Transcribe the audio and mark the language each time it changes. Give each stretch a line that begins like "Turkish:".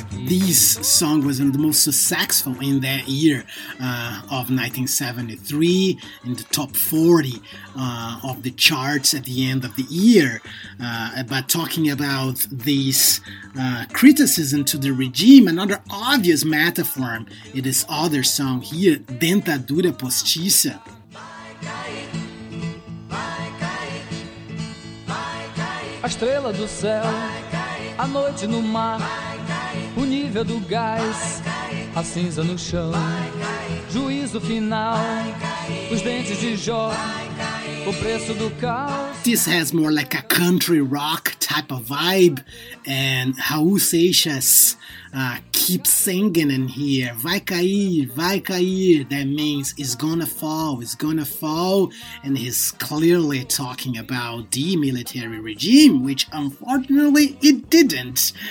English: This song was the most successful in that year of 1973, in the top 40 of the charts at the end of the year. But talking about this criticism to the regime, another obvious metaphor in this other song here, Dentadura Postiça.
Portuguese: A estrela do céu, a noite no mar, o nível do gás, a cinza no chão, juízo final, os dentes de Jó, o preço do caos.
English: This has more like a country rock type of vibe, and Raul Seixas keep singing in here,
Portuguese: vai cair, vai cair,
English: that means it's gonna fall, it's gonna fall, and he's clearly talking about the military regime, which unfortunately it didn't.